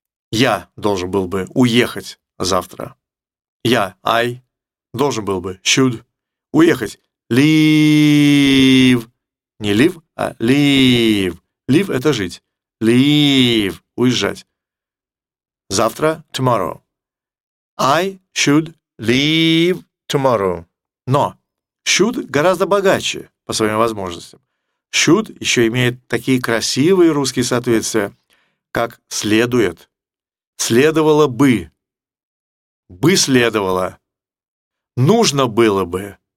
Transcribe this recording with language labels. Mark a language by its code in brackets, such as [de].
[ru] Я должен был бы уехать завтра. Я, I, должен был бы, should, уехать, leave. Не live, а leave. Leave — это жить. Leave — уезжать. Завтра, tomorrow. [en] I should leave tomorrow. [ru] Но should гораздо богаче по своим возможностям. Should еще имеет такие красивые русские соответствия, как следует, следовало бы следовало, нужно было бы.